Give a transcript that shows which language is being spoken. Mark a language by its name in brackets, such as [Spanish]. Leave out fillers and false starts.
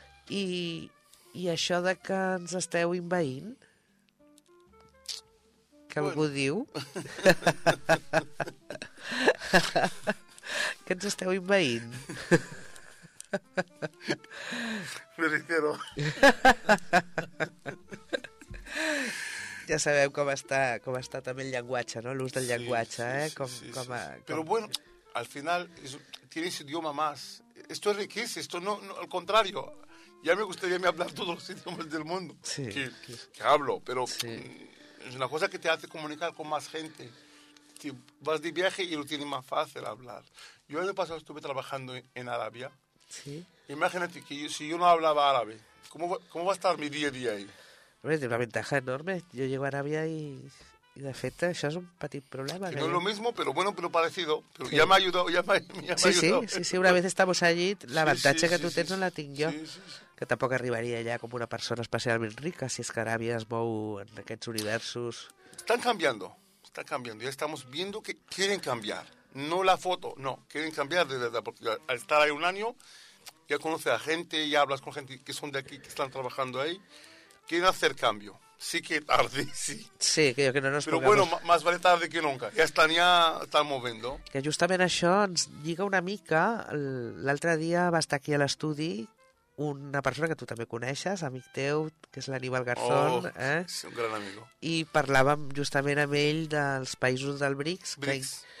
[Catalan] I això de que ens esteu invaint, que bueno, algú diu, que ens esteu invaint. [Spanish] Me refiero. [Catalan] Ja sabem com està també el llenguatge, no? L'ús del sí, llenguatge. Sí, eh? Sí, com, sí, com a, com... [Spanish] Pero bueno, al final tienes idioma más. Esto es riqueza, esto no, no al contrario. Ya me gustaría hablar todos los idiomas del mundo sí, que hablo, pero sí. Es una cosa que te hace comunicar con más gente. Si vas de viaje y lo tienes más fácil hablar. Yo el año pasado estuve trabajando en Arabia. Sí. Imagínate que yo, si yo no hablaba árabe, ¿cómo va a estar mi día a día ahí? Hombre, tiene una ventaja enorme. Yo llego a Arabia y de hecho eso es un petit problema. Que no es lo mismo, pero bueno, pero parecido. Pero sí. Ya me ha ayudado, ya me ha ayudado. Sí, sí, sí, sí, una vez estamos allí, la ventaja sí, que tú tienes sí, no la tengo yo. Sí, sí, sí. [Catalan] Que tampoc arribaria allà com una persona especialment rica, si és que Aràbia es mou en aquests universos. [Spanish] Están cambiando. Ya estamos viendo que quieren cambiar. No la foto, no. Quieren cambiar de verdad, porque al estar ahí un año, ya conoces a gente, ya hablas con gente que son de aquí, que están trabajando ahí. Quieren hacer cambio. Sí que tarde, sí. Sí, que no nos pero pongamos... bueno, más vale tarde que nunca. Ya están moviendo. [Catalan] Que justament això ens lliga una mica. L'altre dia va estar aquí a l'estudi una persona que tu també coneixes, amic teu, que és l'Aníbal Garzón. [Spanish] Oh, eh? Sí, un gran amigo. [Catalan] I parlàvem justament amb ell dels països del BRICS. BRICS.